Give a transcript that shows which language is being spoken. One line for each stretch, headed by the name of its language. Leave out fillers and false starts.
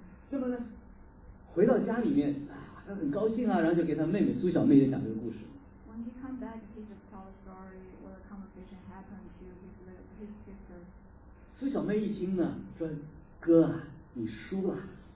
Chinese: 这么呢，回到家里面，他很高兴啊，然后就给他妹妹苏小妹也讲这个故事。
English: When he come back, he just told story what a conversation happened to his sister.
Chinese: 苏小妹一听呢，说：“哥啊，你输了。”